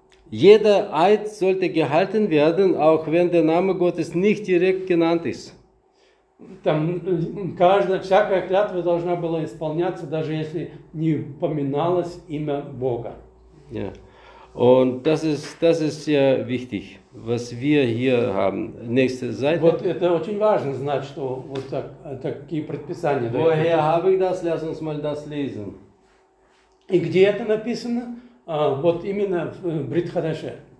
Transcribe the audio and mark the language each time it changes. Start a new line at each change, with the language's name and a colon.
German: Jeder Eid sollte gehalten werden, auch wenn der Name Gottes nicht direkt genannt ist.
Russian: Там каждая всякая клятва должна была исполняться, даже если не упоминалось имя Бога.
German: Ja. Und das ist sehr wichtig, was wir hier haben. Nächste Seite.
Russian: Вот это очень важно знать, что вот так, такие предписания.
German: Woher habe ich das? Lass uns mal das lesen.
Russian: И где это написано? Вот именно в Брит Хадаше.